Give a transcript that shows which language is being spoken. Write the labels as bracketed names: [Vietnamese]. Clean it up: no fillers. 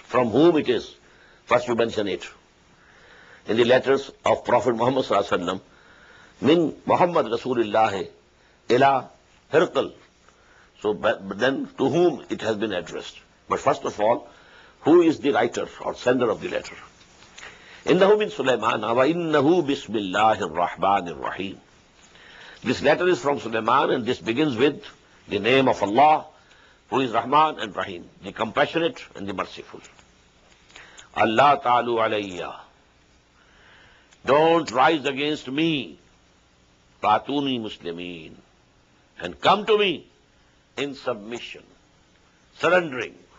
[English] From whom it is? First you mention it. In the letters of Prophet Muhammad sallallahu alaihi wasallam, [Arabic] من محمد رسول الله إلى هرقل. [English] So then to whom it has been addressed? But first of all, who is the writer or sender of the letter? [Arabic] إنه من سليمان وإنه بسم الله الرحمن الرحيم. [English] This letter is from Sulaiman, and this begins with the name of Allah, who is Rahman and Rahim, the compassionate and the merciful. [Arabic] Allah ta'alu alayya. [English] Don't rise against me. [Arabic] Fatuni Muslimin. [English] And come to me in submission, surrendering.